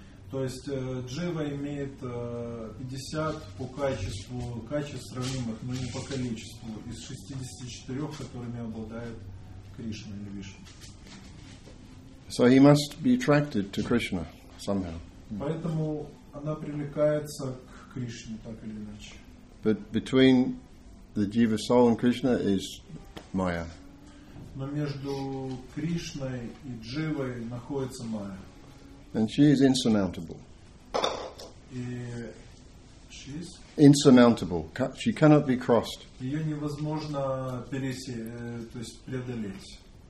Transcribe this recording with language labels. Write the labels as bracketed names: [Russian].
[Russian] То есть джива имеет 50 по качеству, качеств сравнимых, но не по количеству, из 64, которыми обладает Кришна или Вишну. [English] So he must be attracted to Krishna somehow. [Russian] Поэтому она привлекается к Кришне, так или иначе. [English] But between the jiva soul and Krishna is Maya. [Russian] Но между Кришной и дживой находится Майя. [English] And she is insurmountable. She is insurmountable. She cannot be crossed. [Russian] Ее невозможно то есть преодолеть.